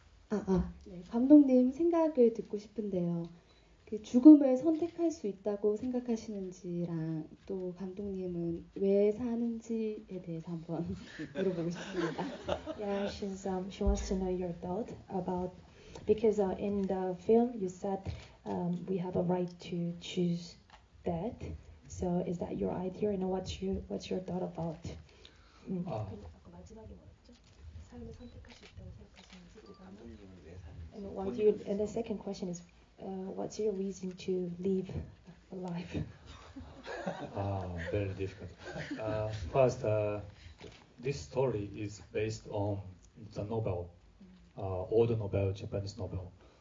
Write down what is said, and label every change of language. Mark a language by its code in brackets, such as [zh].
[en] Yes. [ko] 감독님 생각을 듣고 싶은데요. 그 죽음을 선택할 수 있다고 생각하시는지랑 또 감독님은 왜 사는지에 대해서 한번 물어보고 싶습니다. [en] Yeah, she's she wants to know your thought about because in the film you said we have a right to choose death. So is that your idea and what's your thought about? [ko] 아까 마지막에 뭐였죠? 삶을 선택할 수 있다고 생각하시는지 [en] And what do you? And the second question is, what's your reason to live a life? very difficult. First, this story is based on the novel, old novel, Japanese novel.